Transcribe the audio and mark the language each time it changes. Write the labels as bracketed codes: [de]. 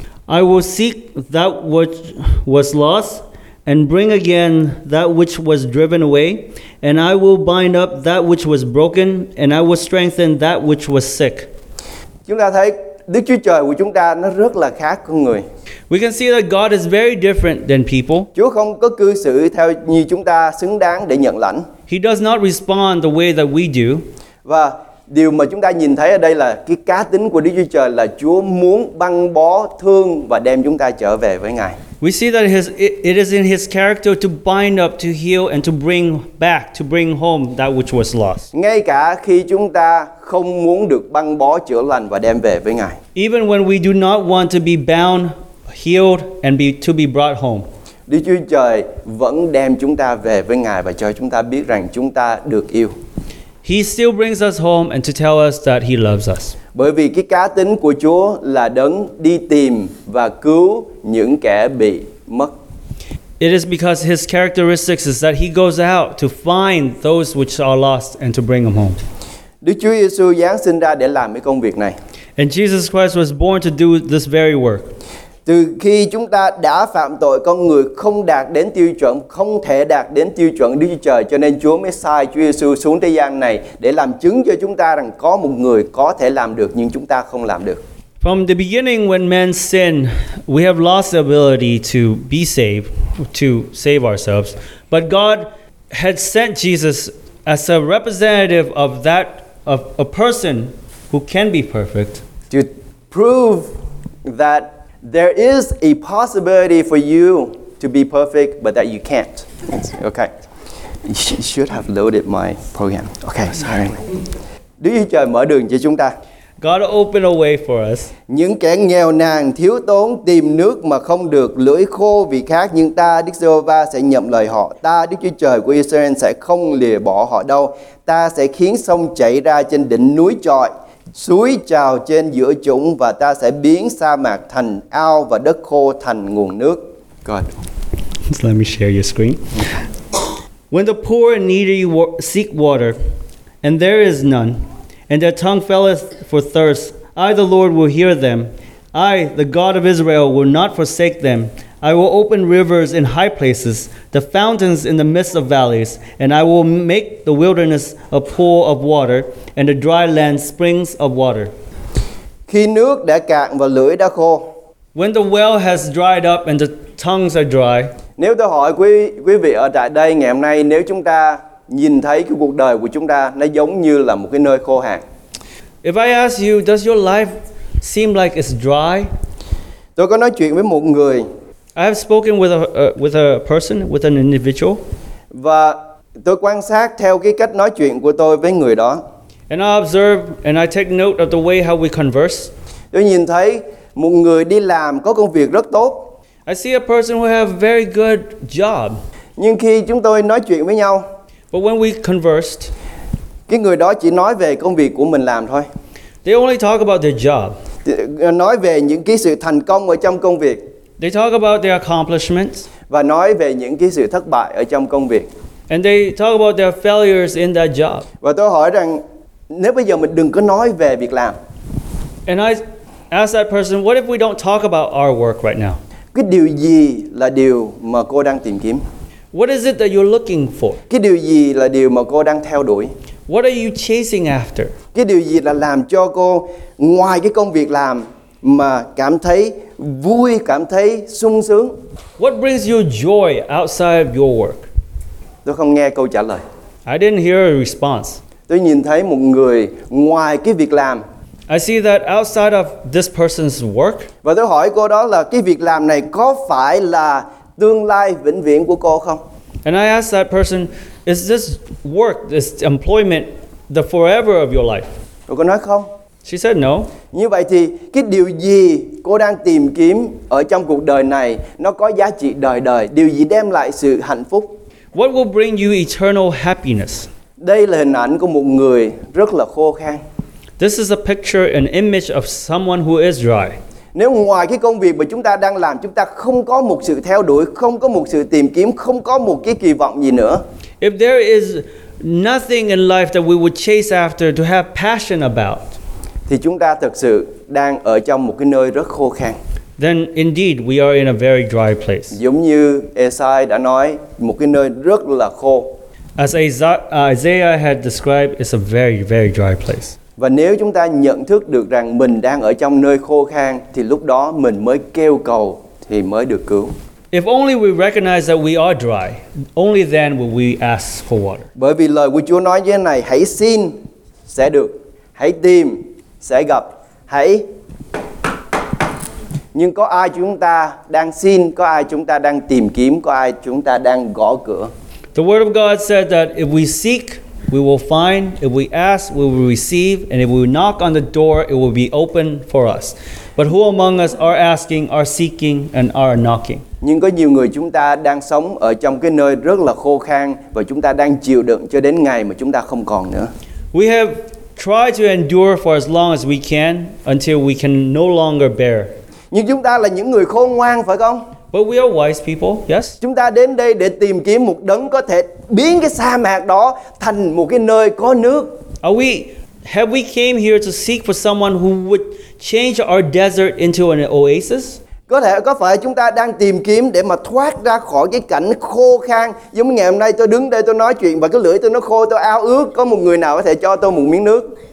[en] I will seek that which was lost, and bring again that which was driven away, and I will bind up that which was broken, and I will strengthen that which was sick. [vi] Chúng ta thấy Đức Chúa Trời của chúng ta nó rất là khác con người. [en] We can see that God is very different than people. [vi] Chúa không có cư xử theo như chúng ta xứng đáng để nhận lãnh. [en] He does not respond the way that we do. [vi] Và điều mà chúng ta nhìn thấy ở đây là cái cá tính của Đức Chúa Trời là Chúa muốn băng bó, thương và đem chúng ta trở về với Ngài. [en] We see that it is in his character to bind up, to heal and to bring back, to bring home that which was lost. [vi] Ngay cả khi chúng ta không muốn được băng bó, chữa lành và đem về với Ngài. [en] Even when we do not want to be bound, healed and to be brought home. [vi] Đức Chúa Trời vẫn đem chúng ta về với Ngài và cho chúng ta biết rằng chúng ta được yêu. [en] He still brings us home and to tell us that he loves us. [vi] Bởi vì cái cá tính của Chúa là đấng đi tìm và cứu những kẻ bị mất. [en] It is because his characteristics is that he goes out to find those which are lost and to bring them home. [vi] Đức Chúa Giêsu giáng sinh ra để làm cái công việc này. [en] And Jesus Christ was born to do this very work. [vi] Từ khi chúng ta đã phạm tội, con người không đạt đến tiêu chuẩn, không thể đạt đến tiêu chuẩn Đức Chúa Trời, cho nên Chúa mới sai Chúa Giêsu xuống thế gian này để làm chứng cho chúng ta rằng có một người có thể làm được nhưng chúng ta không làm được. [en] From the beginning when man sinned, we have lost the ability to be saved, to save ourselves. But God had sent Jesus as a representative of that, of a person who can be perfect. To prove that there is a possibility for you to be perfect, but that you can't. Okay. You should have loaded my program. Okay, sorry. [vi] Đức Chúa Trời mở đường cho chúng ta. [en] God opened a way for us. [vi] Những kẻ nghèo nàn, thiếu tốn, tìm nước mà không được, lưỡi khô vì khát, nhưng ta, Đức Giê-hô-va, sẽ nhậm lời họ. Ta, Đức Chúa Trời của Israel, sẽ không lìa bỏ họ đâu. Ta sẽ khiến sông chảy ra trên đỉnh núi trọi, suối trào trên giữa chúng, và ta sẽ biến sa mạc thành ao và đất khô thành nguồn nước. [en] God. So let me share your screen. When the poor and needy seek water, and there is none, and their tongue faileth for thirst, I, the Lord, will hear them. I, the God of Israel, will not forsake them. I will open rivers in high places, the fountains in the midst of valleys, and I will make the wilderness a pool of water, and the dry land springs of water. [vi] Khi nước đã cạn và lưỡi đã khô, [en] when the well has dried up and the tongues are dry, [vi] nếu tôi hỏi quý vị ở tại đây ngày hôm nay, nếu chúng ta nhìn thấy cái cuộc đời của chúng ta nó giống như là một cái nơi khô hạn. [en] If I ask you, does your life seem like it's dry? [vi] Tôi có nói chuyện với một người. [en] I have spoken with a person, with an individual. [vi] Và tôi quan sát theo cái cách nói chuyện của tôi với người đó. [en] And I observe and I take note of the way how we converse. [vi] Tôi nhìn thấy một người đi làm có công việc rất tốt. [en] I see a person who have a very good job. [vi] Nhưng khi chúng tôi nói chuyện với nhau, [en] but when we conversed, [vi] cái người đó chỉ nói về công việc của mình làm thôi. [en] They only talk about their job. [vi] Nói về những cái sự thành công ở trong công việc. [en] They talk about their accomplishments. [vi] Và nói về những cái sự thất bại ở trong công việc. [en] And they talk about their failures in that job. [vi] Và tôi hỏi rằng, nếu bây giờ mình đừng có nói về việc làm. [en] And I ask that person, what if we don't talk about our work right now? [vi] Cái điều gì là điều mà cô đang tìm kiếm? [en] What is it that you're looking for? [vi] Cái điều gì là điều mà cô đang theo đuổi? [en] What are you chasing after? [vi] Cái điều gì là làm cho cô ngoài cái công việc làm mà cảm thấy vui, cảm thấy sung sướng? [en] What brings you joy outside of your work? [vi] Tôi không nghe câu trả lời. [en] I didn't hear a response. [vi] Tôi nhìn thấy một người ngoài cái việc làm. [en] I see that outside of this person's work. [vi] Và tôi hỏi cô đó là cái việc làm này có phải là tương lai vĩnh viễn của cô không? [en] And I asked that person, is this work, this employment, the forever of your life? [vi] Tôi có nói không? [en] She said no. [vi] Như vậy thì cái điều gì cô đang tìm kiếm ở trong cuộc đời này nó có giá trị đời đời? Điều gì đem lại sự hạnh phúc? [en] What will bring you eternal happiness? [vi] Đây là hình ảnh của một người rất là khô khan. [en] This is a picture, an image of someone who is dry. [vi] Nếu ngoài cái công việc mà chúng ta đang làm, chúng ta không có một sự theo đuổi, không có một sự tìm kiếm, không có một cái kỳ vọng gì nữa. [en] If there is nothing in life that we would chase after to have passion about, [vi] thì chúng ta thực sự đang ở trong một cái nơi rất khô khan. [en] then indeed we are in a very dry place. [vi] Giống như Esai đã nói, một cái nơi rất là khô. [en] As Isaiah had described, it's a very, very dry place. [vi] Và nếu chúng ta nhận thức được rằng mình đang ở trong nơi khô khan, thì lúc đó mình mới kêu cầu thì mới được cứu. [en] If only we recognize that we are dry, only then will we ask for water. [vi] Bởi vì lời của Chúa nói như thế này, hãy xin sẽ được, hãy tìm sẽ gặp, hãy. Nhưng có ai chúng ta đang xin, có ai chúng ta đang tìm kiếm, có ai chúng ta đang gõ cửa? [en] The word of God said that if we seek, we will find, if we ask, we will receive, and if we knock on the door, it will be open for us. But who among us are asking, are seeking, and are knocking? [vi] Nhưng có nhiều người chúng ta đang sống ở trong cái nơi rất là khô khan và chúng ta đang chịu đựng cho đến ngày mà chúng ta không còn nữa. [en] We have tried to endure for as long as we can until we can no longer bear. [vi] Nhưng chúng ta là những người khôn ngoan phải không? [en] But we are wise people, yes. [vi] Chúng ta đến đây để tìm kiếm một đấng có thể biến cái sa mạc đó thành một cái nơi có nước. [en] Have we came here to seek for someone who would change our desert into an oasis? [vi] Có phải chúng ta đang tìm kiếm để mà thoát ra khỏi cái cảnh khô khan, giống như ngày hôm nay tôi đứng đây tôi nói chuyện và cái lưỡi tôi nó khô, tôi ao ước có một người nào có thể cho tôi một miếng nước.